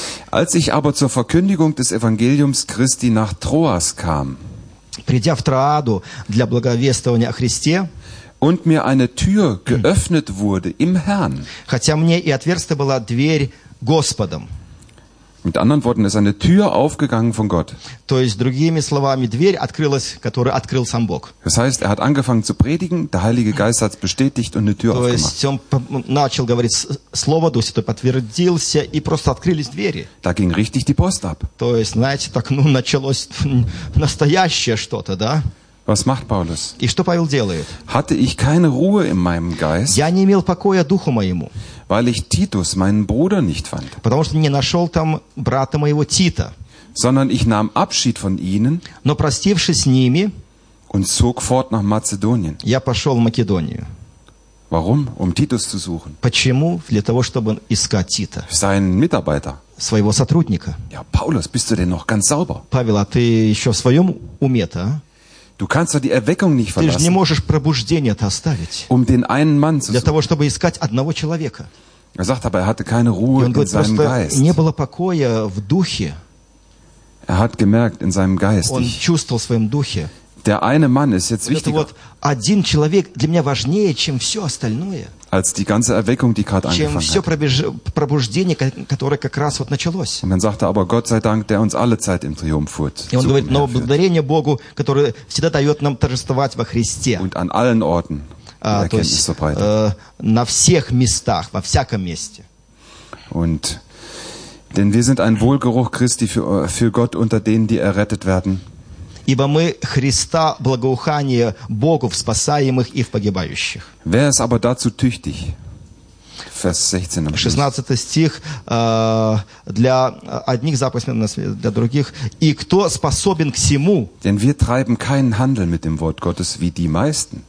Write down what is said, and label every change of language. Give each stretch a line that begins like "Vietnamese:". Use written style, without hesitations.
German: Als ich aber zur Verkündigung des Evangeliums Christi nach Troas kam,
Russian: придя в Троаду для благовествования о Христе,
German: und mir eine Tür geöffnet wurde im Herrn,
Russian: хотя мне и отверстие была дверь Господом.
German: Mit anderen Worten, ist eine Tür aufgegangen von Gott.
Russian: То есть, другими словами, дверь открылась, которую открыл сам Бог.
German: Das heißt, er hat angefangen zu predigen, der Heilige Geist hat es bestätigt und eine Tür aufgemacht.
Russian: То есть, он начал говорить слово, Дух Святой подтвердился, и просто открылись двери.
German: Da ging richtig die Post ab.
Russian: То есть, знаете, так, ну, началось настоящее что-то, да?
German: Was macht Paulus?
Russian: И что Павел делает?
German: Hatte ich keine Ruhe in meinem Geist,
Russian: я не имел покоя духу моему,
German: weil ich Titus, meinen Bruder, nicht fand,
Russian: потому что не нашел там брата моего Тита,
German: sondern ich nahm Abschied von ihnen,
Russian: но простившись с ними,
German: und zog fort nach Mazedonien.
Russian: Я пошел в Македонию.
German: Warum? Um Titus zu suchen.
Russian: Почему? Для того, чтобы искать Тита.
German: Seinen Mitarbeiter.
Russian: Своего сотрудника.
German: Ja, Paulus, bist du denn noch ganz sauber?
Russian: Павел, а ты еще в своем уме-то?
German: Du kannst doch die Erweckung nicht verlassen.
Russian: Ты же не можешь пробуждение-то оставить.
German: Um den einen Mann zu
Russian: для того, чтобы искать одного человека.
German: Er sagt aber, er hatte keine Ruhe in seinem Geist.
Russian: Он говорит, просто не было покоя в духе.
German: Er hat gemerkt in seinem Geist.
Russian: Он чувствовал в своем духе.
German: Der eine Mann ist jetzt wichtiger.
Russian: Вот один человек для меня важнее, чем все остальное.
German: Als die ganze Erweckung, die gerade angefangen hat.
Russian: Чем все пробуждение, которое как раз вот началось.
German: Und dann sagt er, aber Gott sei Dank, der uns alle Zeit im Triumph führt.
Russian: И он говорит, но благодарение Богу, который всегда дает нам торжествовать во Христе.
German: Und an allen Orten.
Russian: То есть,
German: so
Russian: на всех местах, во всяком месте.
German: Und denn wir sind ein Wohlgeruch Christi für Gott unter denen, die errettet werden.
Russian: Ибо мы Христа благоухание Богу в спасаемых и в погибающих.
German: Wer ist aber dazu tüchtig? Vers 16.
Russian: 16 стих для одних заповедь, для других. И кто способен к сему?
German: Denn wir treiben keinen Handel mit dem Wort Gottes wie die meisten.